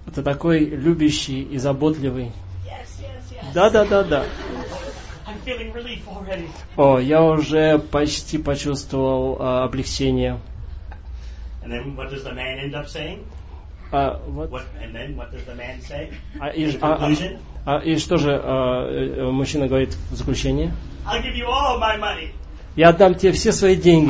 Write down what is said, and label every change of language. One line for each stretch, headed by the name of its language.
Russian: Ты такой любящий и заботливый.
English: Yes.
Russian: Да.
English: I'm feeling relief already.
Russian: О, я уже почти почувствовал облегчение.
English: And then what does the man end up saying? What does the man say?
Russian: И что же мужчина говорит в заключение?
English: I'll give you all my money.
Russian: Я отдам тебе все свои деньги.